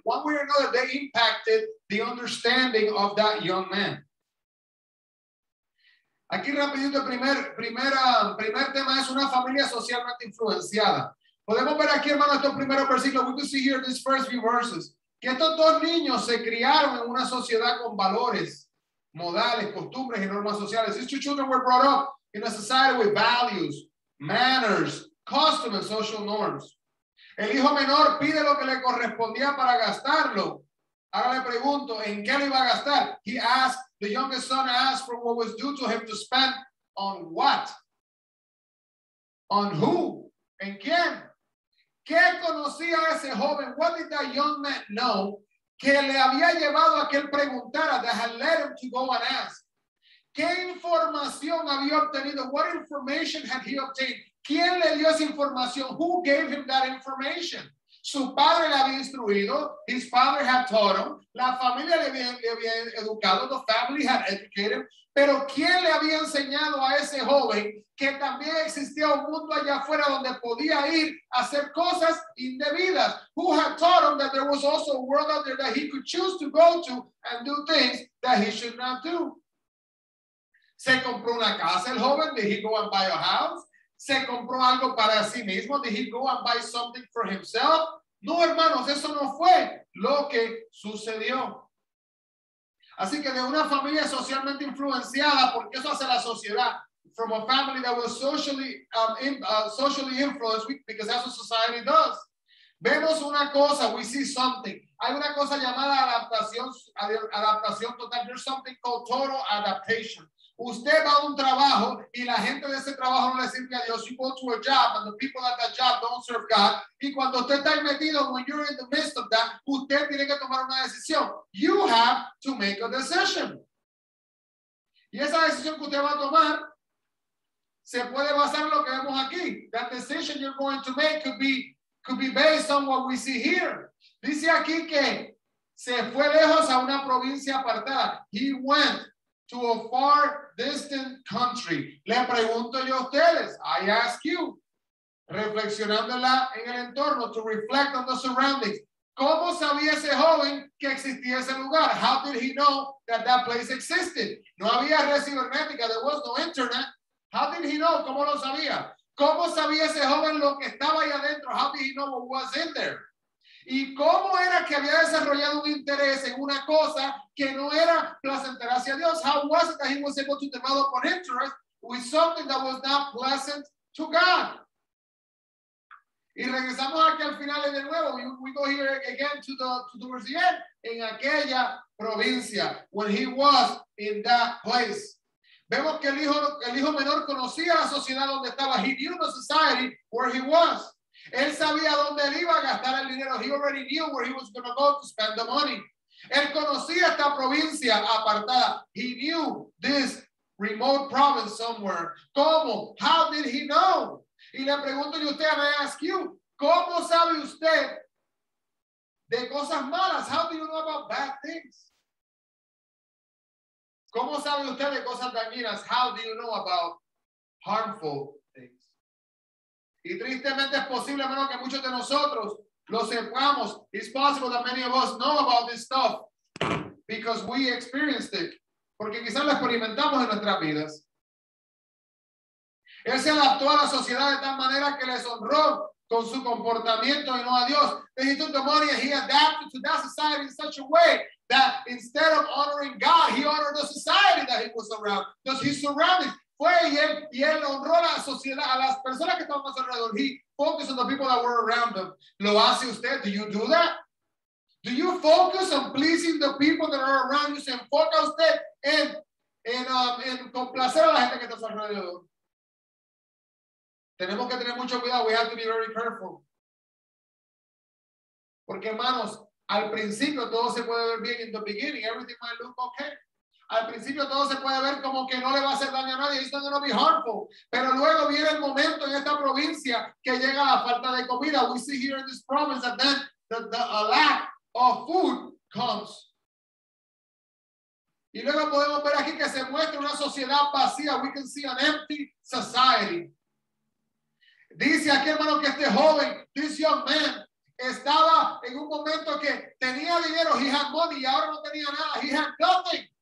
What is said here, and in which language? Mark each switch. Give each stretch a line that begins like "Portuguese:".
English: One way or another, they impacted the understanding of that young man.
Spanish: Aquí rapidito, primer tema es una familia socialmente influenciada. Podemos ver aquí, hermano, estos primeros versículos.
English: We can see here these first few verses.
Spanish: Que estos dos niños se criaron en una sociedad con valores, modales, costumbres y normas sociales.
English: These two children were brought up in a society with values, manners, custom and social norms.
Spanish: El hijo menor pide lo que le correspondía para gastarlo. Ahora le pregunto, ¿en qué lo iba a gastar?
English: He asked. The youngest son asked for what was due to him to spend on what? On who?
Spanish: ¿En quién? ¿Qué conocía ese joven?
English: What did that young man know
Spanish: que le había llevado a que él preguntara,
English: that had led him to go and ask?
Spanish: ¿Qué información había obtenido?
English: What information had he obtained?
Spanish: ¿Quién le dio esa información?
English: Who gave him that information?
Spanish: Su padre le había instruido,
English: his father had taught him,
Spanish: la familia le había educado,
English: the family had educated him,
Spanish: pero ¿quién le había enseñado a ese joven que también existía un mundo allá afuera donde podía ir a hacer cosas indebidas?
English: Who had taught him that there was also a world out there that he could choose to go to and do things that he should not do?
Spanish: ¿Se compró una casa el joven?
English: Did he go and buy a house?
Spanish: ¿Se compró algo para sí mismo?
English: Did he go and buy something for himself?
Spanish: No, hermanos, eso no fue lo que sucedió. Así que de una familia socialmente influenciada, porque eso hace la sociedad,
English: from a family that was socially influenced, because that's what society does.
Spanish: Vemos una cosa,
English: we see something.
Spanish: Hay una cosa llamada adaptación total. There's something called total adaptation.
English: Usted va a un trabajo y la gente de ese trabajo no le sirve a Dios. You go to a job and the people at that job don't serve God.
Spanish: Y cuando usted está metido,
English: when you're in the midst of that,
Spanish: usted tiene que tomar una decisión.
English: You have to make a decision.
Spanish: Y esa decisión que usted va a tomar se puede basar en lo que vemos aquí.
English: That decision you're going to make could be based on what we see here.
Spanish: Dice aquí que se fue lejos a una provincia apartada.
English: He went to a far distant country.
Spanish: Le pregunto yo a ustedes,
English: I ask you,
Spanish: reflexionándola en el entorno,
English: to reflect on the surroundings.
Spanish: ¿Cómo sabía ese joven que existía ese lugar?
English: How did he know that that place existed?
Spanish: No había red cibernética,
English: there was no internet. How did he know?
Spanish: ¿Cómo lo sabía? ¿Cómo sabía ese joven lo que estaba ahí adentro?
English: How did he know what was in there?
Spanish: ¿Y cómo era que había desarrollado un interés en una cosa que no era placentera hacia Dios?
English: How was it that he was able to develop an interest with something that was not pleasant to God?
Spanish: Y regresamos aquí al final de nuevo.
English: We go here again towards the end.
Spanish: En aquella provincia,
English: when he was in that place.
Spanish: Vemos que el hijo menor conocía la sociedad donde estaba.
English: He knew the society where he was.
Spanish: Él sabía dónde él iba a gastar el dinero.
English: He already knew where he was going to go to spend the money.
Spanish: Él conocía esta provincia apartada.
English: He knew this remote province somewhere.
Spanish: ¿Cómo?
English: How did he know?
Spanish: Y le pregunto yo a usted,
English: I ask you,
Spanish: ¿cómo sabe usted de cosas malas?
English: How do you know about bad things?
Spanish: ¿Cómo sabe usted de cosas dañinas?
English: How do you know about harmful things.
Spanish: Y tristemente es posible, hermano, que muchos de nosotros lo sepamos.
English: It's possible that many of us know about this stuff because we experienced it.
Spanish: Porque quizás lo experimentamos en nuestras vidas. Él se adaptó a la sociedad de tal manera que les honró con su comportamiento y no a Dios.
English: He took the money and he adapted to that society in such a way that instead of honoring God, he honored the society that he was around. Because he surrounded.
Spanish: Fue y él honró a la sociedad, a las personas que estaban a su alrededor.
English: He focused on the people that were around him.
Spanish: ¿Lo hace usted?
English: Do you do that? Do you focus on pleasing the people that are around you?
Spanish: ¿Se enfoca usted en complacer a la gente que está a su alrededor? Tenemos que tener mucho cuidado.
English: We have to be very careful.
Spanish: Porque, hermanos, al principio todo se puede ver bien.
English: In the beginning, everything might look okay.
Spanish: Al principio todo se puede ver como que no le va a hacer daño a nadie.
English: It's not going to be harmful.
Spanish: Pero luego viene el momento en esta provincia que llega la falta de comida.
English: We see here in this province that then a lack of food comes.
Spanish: Y luego podemos ver aquí que se muestra una sociedad vacía.
English: We can see an empty society.
Spanish: Dice aquí, hermano, que este joven,
English: this young man,
Spanish: estaba en un momento que tenía dinero,
English: he had money,
Spanish: y ahora no tenía nada,
English: he had nothing.